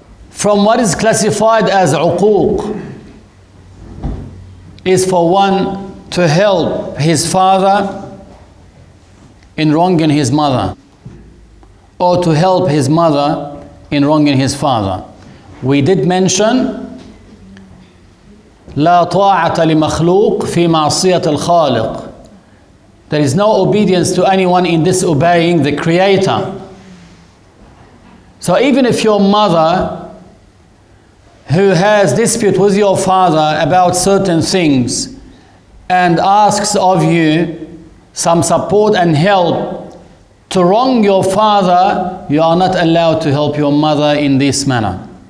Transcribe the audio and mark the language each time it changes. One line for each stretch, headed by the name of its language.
English: From what is classified as uquq, is for one to help his father in wronging his mother, or to help his mother in wronging his father. We did mention
Arabic: لا طاعة لمخلوق في معصية الخالق.
English: There is no obedience to anyone in disobeying the Creator. So even if your mother, who has dispute with your father about certain things and asks of you some support and help to wrong your father, you are not allowed to help your mother in this manner.